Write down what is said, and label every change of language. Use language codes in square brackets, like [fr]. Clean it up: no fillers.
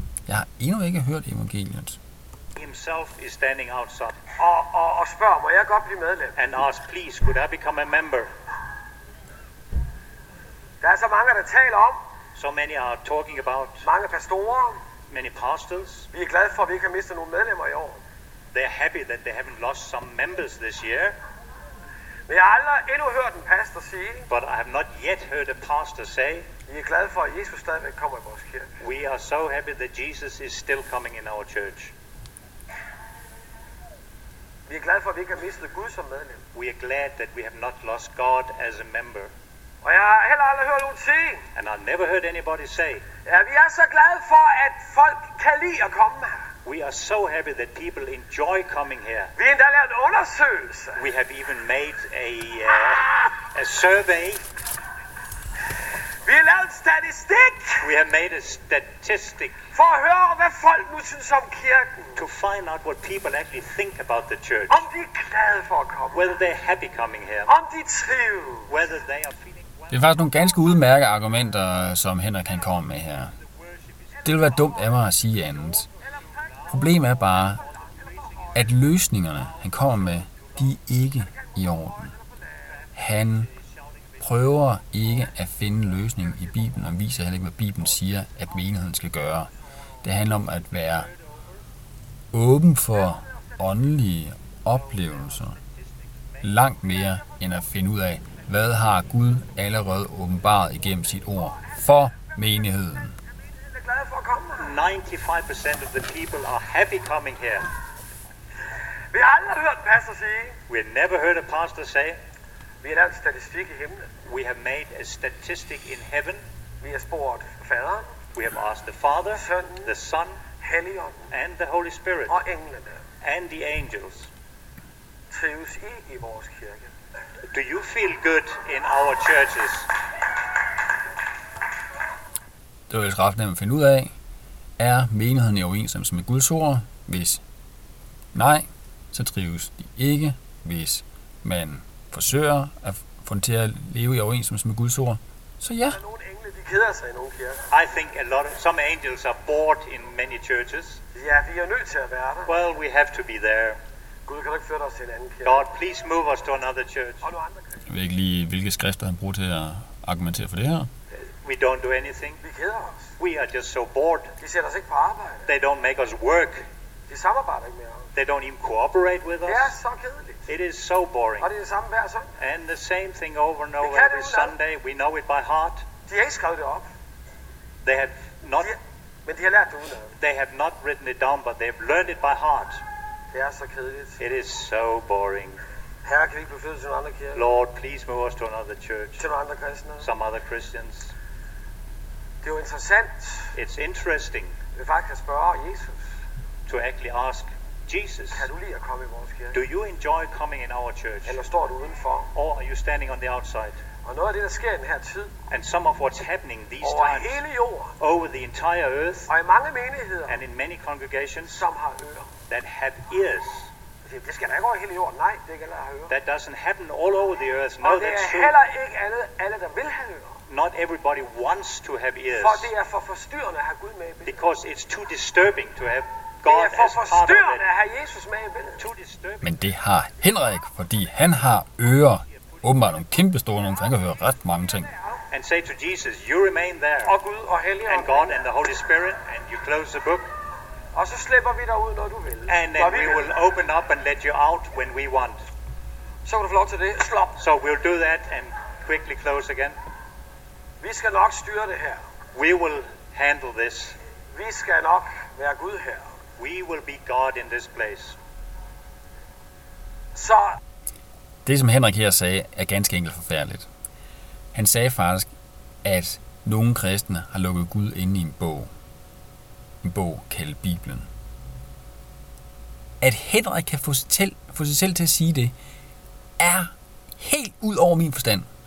[da] Jeg har endnu ikke hørt evangeliet. [en] Himself is standing outside. [da] Og spørger, må jeg godt blive medlem? [en] And ask, please, could I become a member? [da] Der er så mange, der taler om. [en] So many are talking about. [da] Mange pastorer. [en] Many pastors. [da] Vi er glade for, at vi ikke har mistet nogle medlemmer i år. [en] They're happy that they haven't lost some members this year. [da] Men jeg har aldrig endnu hørt en pastor sige. [en] But I have not yet heard a pastor say. [da] Vi er glade for, at Jesus stadig kommer i vores kirke. [en] We are so happy that Jesus is still coming in our church. [da] Vi er glade for, at vi ikke har mistet Gud som medlem. [en] We are glad that we have not lost God as a member. [da] Og jeg har heller aldrig hørt nogen sige. [en] And I've never heard anybody say. [da] Ja, vi er så glade for, at folk kan lide at komme her. [en] We are so happy that people enjoy coming here. [da] Vi har endda lavet en undersøgelse. [en] We have even made a survey. [da] Vi har lavet statistik. [en] We have made a statistic. [da] For at høre, hvad folk nu synes om kirken. [en] To find out what people actually think about the church. [da] Om de er glade for at komme. [en] Whether they're happy coming here. [da] Om de trives. [en] Whether they are feeling well. [da] Det er faktisk nogle ganske udmærkede argumenter, som Henrik kan komme med her. Det vil være dumt af mig at sige andet. Problemet er bare, at løsningerne, han kommer med, de er ikke i orden. Han prøver ikke at finde løsningen i Bibelen, og viser heller ikke, hvad Bibelen siger, at menigheden skal gøre. Det handler om at være åben for åndelige oplevelser. Langt mere end at finde ud af, hvad har Gud allerede åbenbaret igennem sit ord for menigheden. [en] 95% of the people are happy coming here. [da] Vi har aldrig hørt en pastor sige. [en] We have never heard a pastor say. [da] Vi har lavet en statistik i himlen. [en] We have made a statistic in heaven. [da] Vi har spurgt Faderen. [en] We have asked the Father, [da] Sønnen, [en] the Son, [da] Helligånden, [en] and the Holy Spirit, [da] og englene, [en] and the angels. [da] Trives I vores kirke? [en] Do you feel good in our churches? [da] Det er jo ret nemt at finde ud af. Er menigheden i overensstemmelse med Guds ord? Hvis nej, så trives de ikke. Hvis man forsøger at få den til at leve i overensstemmelse med Guds ord, så ja. Nogle engle, de keder sig i nogle kirker. [en] I think a lot of some angels are bored in many churches. [da] Ja, vi er nødt til at være der. [en] Well, we have to be there. [da] Gud, kan du ikke føre os til en anden kirke? [en] God, please move us to another church. [da] Og nogle andre kirker. Jeg ved ikke lige, hvilke skrifter han bruger til at argumentere for det her. [en] We don't do anything. [da] Vi keder os. [en] We are just so bored. [da] De sætter os ikke på arbejde. [en] They don't make us work. [da] De samarbejder ikke med os. [en] They don't even cooperate with us. [da] Det er så kedeligt. [en] It is so boring. [da] Og det er det samme hver søndag. [en] And the same thing over and over every Sunday. We know it by heart. [da] De har ikke skrevet det op. [en] They have not. [da] Men de har lært det udenad. [en] They have not written it down, but they've learned it by heart. [da] Det er så kedeligt. [en] It is so boring. [da] Herre, kan vi blive flyttet til en anden kirke? [en] Lord, please move us to another church. [da] Til nogle andre kristne. [en] Some other Christians. [da] Det er jo interessant. [en] It's interesting. [da] vil faktisk at spørge Jesus. [en] To actually ask Jesus. [da] Kan du lide at komme i vores kirke? [en] Do you enjoy coming in our church? [da] Eller står du udenfor? [en] Or are you standing on the outside? [da] Og noget af det der sker i den her tid. [en] And some of what's happening these times. [da] Over hele jorden. [en] Over the entire earth. [da] Og i mange menigheder. [en] And in many congregations. [da] Som har ører. [en] That have ears. [da] Det skal da ikke over hele jorden. Nej, det kan jeg høre. [en] That doesn't happen all over the earth. No, that's true. [da] Og det er heller ikke alle der vil have ører. [en] Not everybody wants to have ears. [da] For det er for forstyrrende at have Gud med i billedet. [en] Because it's too disturbing to have God as part of it. [da] Det er for forstyrrende at have Jesus med i billedet. [en] Too disturbing. [da] Men det har Henrik, fordi han har ører. Åbenbart nogle kæmpe store nogle, han kan høre ret mange ting. [en] And say to Jesus, you remain there. [da] Og Gud og Helligånden. [en] And God and the Holy Spirit, and you close the book. [da] Og så slipper vi dig ud, når du vil. [en] And then we will open up and let you out when we want. [da] Så kan du få lov til det. Slop. [en] So we'll do that and quickly close again. [da] Vi skal nok styre det her. [en] We will handle this. [da] Vi skal nok være Gud her. [en] We will be God in this place. [da] Så. Det, som Henrik her sagde, er ganske enkelt forfærdeligt. Han sagde faktisk, at nogle kristne har lukket Gud ind i en bog. En bog kaldet Bibelen. At Henrik kan få sig selv til at sige det, er helt ud over min forstand.